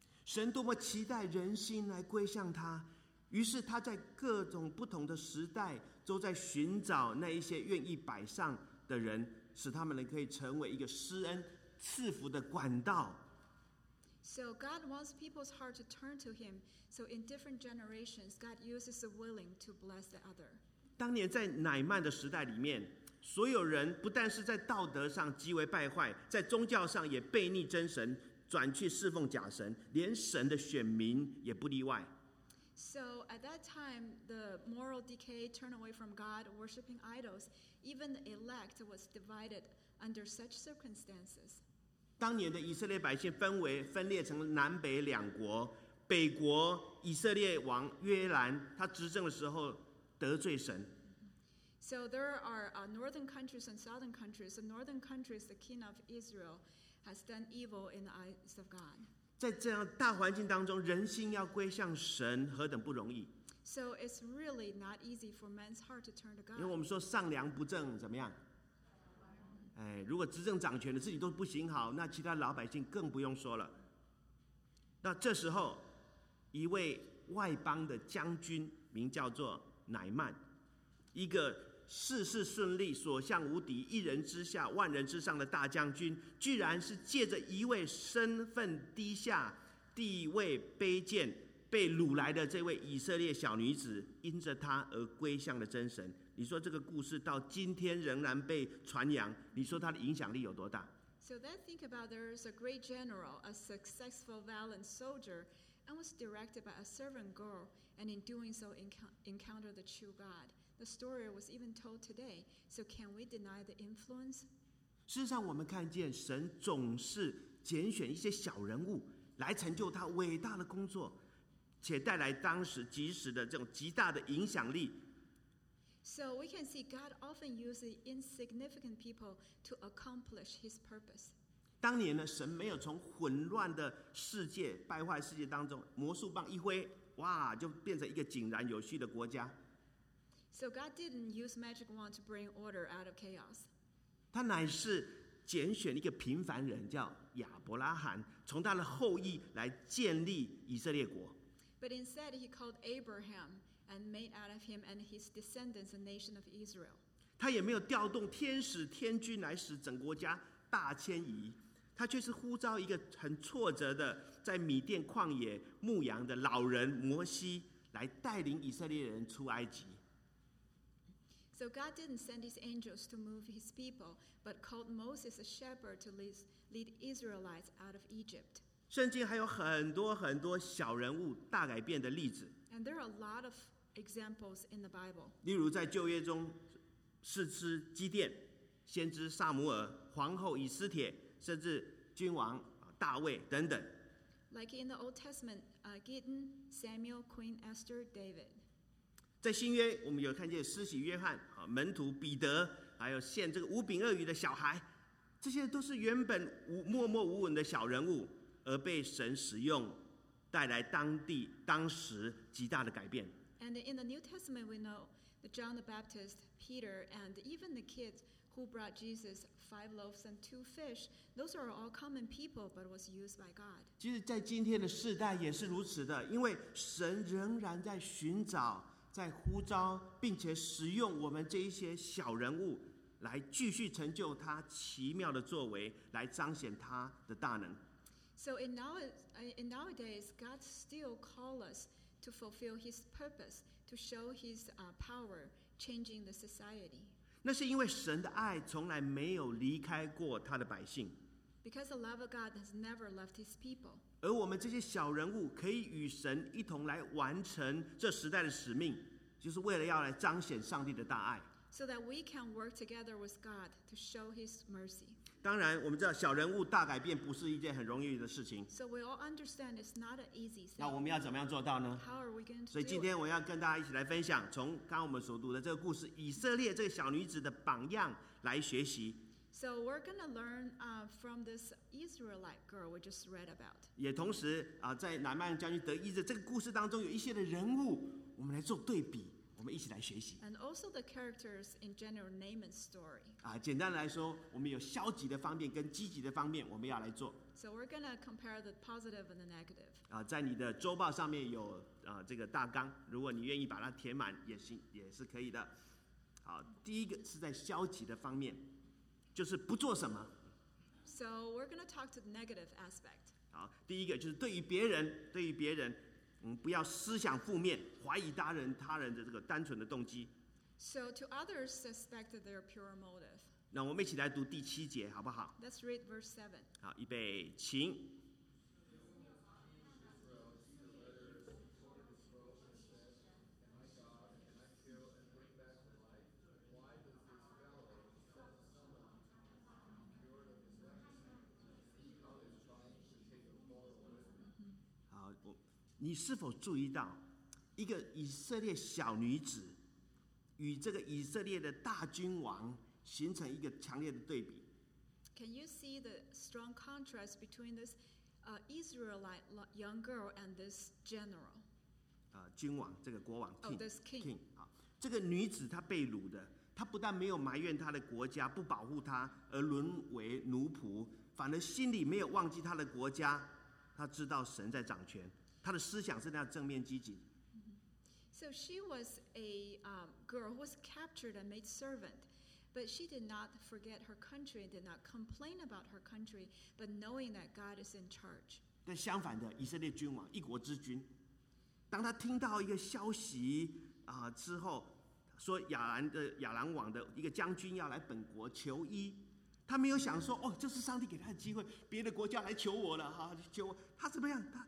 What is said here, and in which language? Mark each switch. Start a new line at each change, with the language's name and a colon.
Chinese: 神多么期待人心来归向他。于是他在各种不同的时代都在寻找那一些愿意摆上的人，使他们可以成为一个施恩赐福的管道。
English: So God wants people's heart to turn to him. So in different generations, God uses the willing to bless the other.
Chinese: 当年在乃曼的时代里面，所有人不但是在道德上极为败坏，在宗教上也悖逆真神，转去侍奉假神，连神的选民也不例外。
English: So at that time, the moral decay turned away from God, worshiping idols. Even the elect was divided under such circumstances.
Chinese: 当年的以色列百姓分裂成南北两国。北国以色列王约兰他执政的时候得罪神。
English: So there are northern countries and southern countries. The northern countries, the king of Israel, has done evil in the eyes of God.
Chinese: 在这样大环境当中，人心要归向神，何等不容易！
English: So it's really not easy for man's heart to turn to God.
Chinese: 因为我们说上梁不正怎么样？哎，如果执政掌权的自己都不行好，那其他老百姓更不用说了。那这时候，一位外邦的将军名叫做乃曼，一个事事顺利、所向无敌、一人之下、万人之上的大将军，居然是借着一位身份低下、地位卑贱、被掳来的这位以色列小女子因着她而归向了真神。你说这个故事到今天仍然被传扬，你说它的影响力有多大？
English: So then think about there is a great general, a successful valiant soldier, and was directed by a servant girl, and in doing so encountered the true God. The story was even told today. So can we deny the influence?
Chinese: 事实上，我们看见神总是拣选一些小人物来成就他伟大的工作，且带来当时及时的这种极大的影响力。
English: So we can see God often uses insignificant people to accomplish His purpose.
Chinese: 当年呢，神没有从混乱的世界、败坏世界当中，魔术棒一挥，哇，就变成一个井然有序的国家。
English: So God didn't use magic wand to bring order out of chaos.
Chinese: 他乃是拣选一个平凡人，叫亚伯拉罕，从他的后裔来建立以色列国。
English: But instead, He called Abraham. And made out of him and his descendants a nation of Israel.
Chinese: 他也没有调动天使天君来使整国家大迁移，他却是呼召一个很挫折的在米甸旷野牧羊的老人摩西来带领以色列人出埃及。
English: So God didn't send His angels to move His people, but called Moses a shepherd to lead Israelites out of Egypt.
Chinese: 圣经还有很多很多小人物大改变的例子。
English: And there are a lot of examples in the Bible.
Chinese: 例如在旧约中，士师基甸、先知撒母耳、皇后以斯帖，甚至君王大卫等等。
English: Like in the Old Testament, Gideon, Samuel, Queen Esther, David.
Chinese: 在新约，我们有看见施洗约翰、门徒彼得，还有献这个五饼二鱼的小孩，这些都是原本默默无闻的小人物，而被神使用。带来当地当时极大的改变。
English: And in the New Testament, we know the John the Baptist, Peter, and even the kids who brought Jesus five loaves and two fish. Those are all common people, but was used by God.
Chinese: 其实，在今天的世代也是如此的，因为神仍然在寻找、在呼召，并且使用我们这一些小人物来继续成就他奇妙的作为，来彰显他的大能。
English: So in nowadays, God still calls us to fulfill His purpose, to show His power, changing the society.
Chinese: 那是因为神的爱从来没有离开过他的百姓。
English: Because the love of God has never left His people.
Chinese: 而我们这些小人物可以与神一同来完成这时代的使命，就是为了要来彰显上帝的大爱。
English: So that we can work together with God to show His mercy.
Chinese: 当然，我们知道小人物大改变不是一件很容易的事情。
English: So we all understand it's not an easy thing.
Chinese: 那我们要怎么样做到呢
English: ？How are we going to do it?
Chinese: 所以今天我要跟大家一起来分享，从刚刚我们所读的这个故事，以色列这个小女子的榜样来学习。
English: So we're going to learn from this Israelite girl we just read about.
Chinese: 也同时在拿曼将军得医治这个故事当中有一些的人物，我们来做对比。我们一起来学习。
English: And also the characters in General Naaman's story.
Chinese: 简单来说，我们有消极的方面跟积极的方面，我们要来做。
English: So we're gonna compare the positive and the negative.
Chinese: 在你的周报上面有这个大纲，如果你愿意把它填满也行，也是可以的。好，第一个是在消极的方面，就是不做什么。
English: So we're gonna talk to the negative aspect.
Chinese: 好，第一个就是对于别人。不要思想负面，怀疑他人的这个单纯的动机。
English: So to others, suspect their pure motive.
Chinese: 那我们一起来读第七节，好不好
English: ？Let's read verse seven.
Chinese: 好，预备，请。你是否注意到一个以色列小女子与这个以色列的大君王形成一个强烈的对比
English: Can you see the strong contrast between this Israelite young girl and this general?
Chinese: 君王这个国王 king,、
English: oh, this king.
Chinese: king 这个女子她被掳的她不但没有埋怨她的国家不保护她而沦为奴仆反而心里没有忘记她的国家她知道神在掌权他的思想是那样正面积极。
English: So she was a girl who was captured and made servant, but she did not forget her country and did not complain about her country, but knowing that God is in charge.
Chinese: 但相反的，以色列君王，一国之君。当他听到一个消息、之后，说亚兰的亚兰王的一个将军要来本国求医，他没有想说哦，这是上帝给他的机会，别的国家来求我了哈、啊，求我他怎么样？